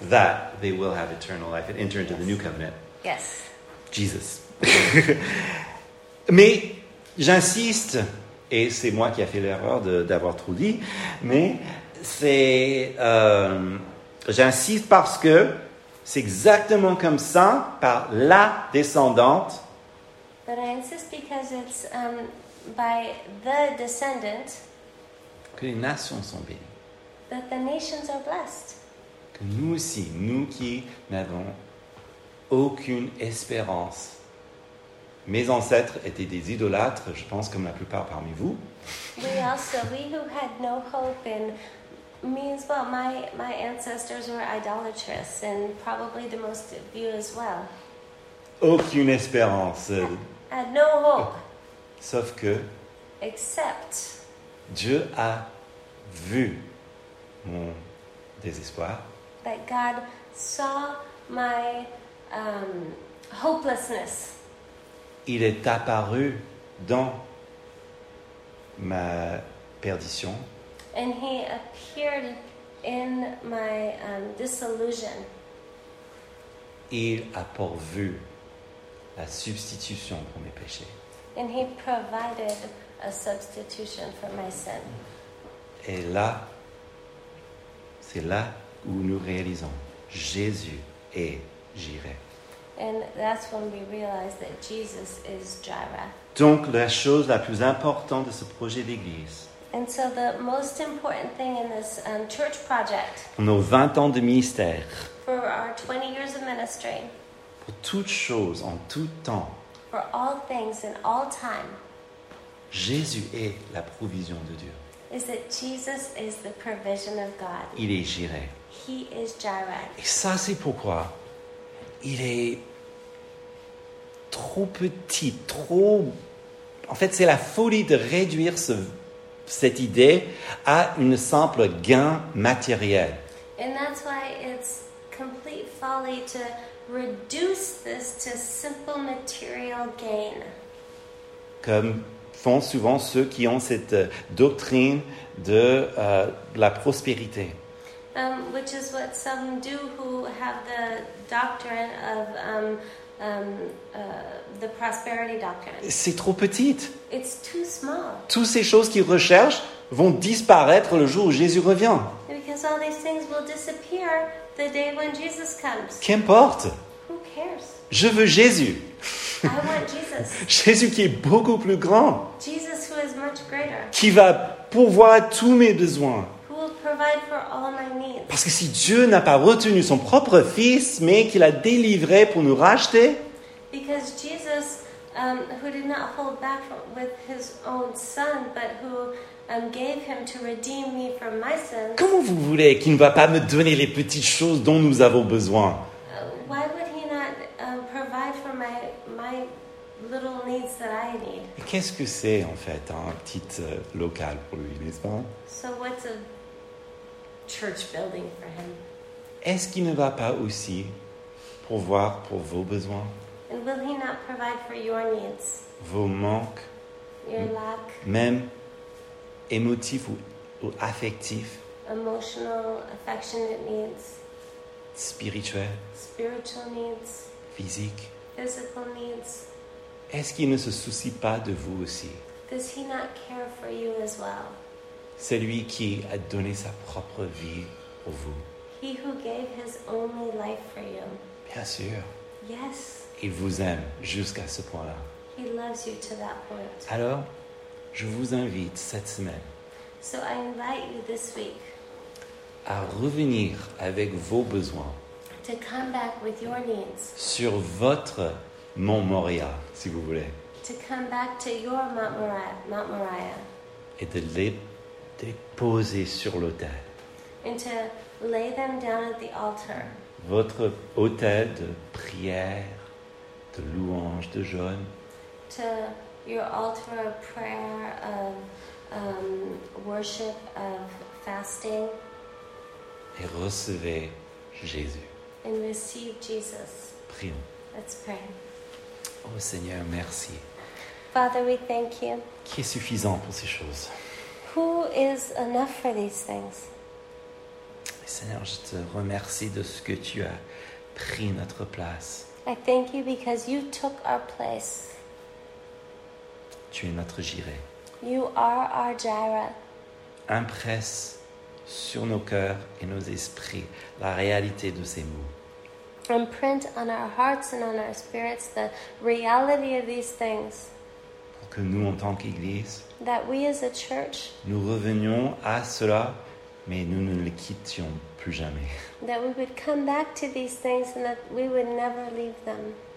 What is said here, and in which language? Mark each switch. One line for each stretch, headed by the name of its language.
English: that they will have eternal life and enter into, yes, the new covenant. Yes. Jesus.
French: Mais j'insiste, et c'est moi qui ai fait l'erreur d'avoir trop dit, mais c'est j'insiste parce que c'est exactement comme ça par la descendante.
English: But I insist because it's by the descendant
French: que les nations sont bénies.
English: That the nations are blessed.
French: Que nous aussi, nous qui n'avons aucune espérance. Mes ancêtres étaient des idolâtres, je pense, comme la plupart parmi vous.
English: We also, we who had no hope, and me as well, my ancestors were idolatrous, and probably the most of you as well.
French: Aucune espérance.
English: Had no hope.
French: Sauf que,
English: except,
French: Dieu a vu mon désespoir.
English: That God saw my hopelessness.
French: Il est apparu dans ma perdition.
English: And he appeared in my disillusion.
French: Il a pourvu la substitution pour mes péchés.
English: And he provided a substitution for my sin.
French: Et là, c'est là où nous réalisons Jésus est Jireh.
English: And that's when we realize that Jesus is Jireh.
French: Donc, la chose la plus importante de ce projet d'église.
English: And so the most important thing in this church project.
French: Pour nos 20 ans de ministère.
English: For our 20 years of ministry.
French: Pour toute chose, en tout temps.
English: for all things and all time.
French: Jésus est la provision de Dieu.
English: Is that Jesus is the provision of God.
French: Il est Jireh.
English: He is Jireh.
French: Et ça, c'est pourquoi il est trop petit, trop... En fait, c'est la folie de réduire cette idée à une simple gain matériel.
English: And that's why it's complete folly to reduce this to simple material gain.
French: Comme font souvent ceux qui ont cette doctrine de la prospérité.
English: Which is what some do who have the doctrine of the prosperity doctrine.
French: C'est trop petite.
English: It's too small.
French: Toutes ces choses qu'ils recherchent vont disparaître le jour où Jésus revient.
English: Because all these things will disappear the day when Jesus comes.
French: Qu'importe?
English: Who cares?
French: Je veux Jésus.
English: I want Jesus.
French: Jésus qui est beaucoup plus grand.
English: Jesus who is much greater.
French: Qui va pourvoir tous mes besoins.
English: Who will provide for all my needs.
French: Parce que si Dieu n'a pas retenu son propre fils, mais qu'il a délivré pour nous racheter.
English: Because Jesus, who did not hold back with his own son, but who gave him to redeem me from my sins.
French: Comment vous voulez qu'il ne va pas me donner les petites choses dont nous avons besoin?
English: Why would he not provide for my little needs that I need?
French: Et qu'est-ce que c'est en fait un petit local pour lui, n'est-ce pas?
English: So what's a church building for him?
French: Est-ce qu'il ne va pas aussi pourvoir pour vos besoins?
English: And will he not provide for your needs?
French: Vos manques?
English: Your lack?
French: Même émotif ou affectif?
English: Emotional, affectionate needs.
French: Spirituel?
English: Spiritual needs.
French: Physique?
English: Physical needs.
French: Est-ce qu'il ne se soucie pas de vous aussi?
English: Does he not care for you as well?
French: C'est lui qui a donné sa propre vie pour vous.
English: He who gave his only life for you.
French: Bien sûr.
English: Yes.
French: Il vous aime jusqu'à ce point-là.
English: He loves you to that point.
French: Alors, je vous invite cette semaine.
English: So I invite you this week.
French: À revenir avec vos besoins.
English: To come back with your needs.
French: Sur votre Mont Moriah, si vous voulez.
English: To come back to your Mount Moriah.
French: Et de les déposer sur l'autel.
English: And to lay them down at the altar.
French: Votre autel de prière, de louange, de jeûne.
English: To your altar of prayer, of worship, of fasting.
French: Et recevez Jésus.
English: And receive Jesus.
French: Prions.
English: Let's pray.
French: Oh Seigneur, merci.
English: Father, we thank you.
French: Qui est suffisant pour ces choses?
English: Who is enough for these things?
French: Seigneur, je te remercie de ce que tu as pris notre place.
English: I thank you because you took our place.
French: Tu es notre Jireh.
English: You are our Jireh.
French: Impresse sur nos cœurs et nos esprits la réalité de ces mots.
English: Imprint on our hearts and on our spirits the reality of these things.
French: Pour que nous, en tant qu'Église,
English: that we as a church,
French: nous revenions à cela, mais nous ne les quittions plus jamais.
English: That we would come back to these things and that we would never leave them.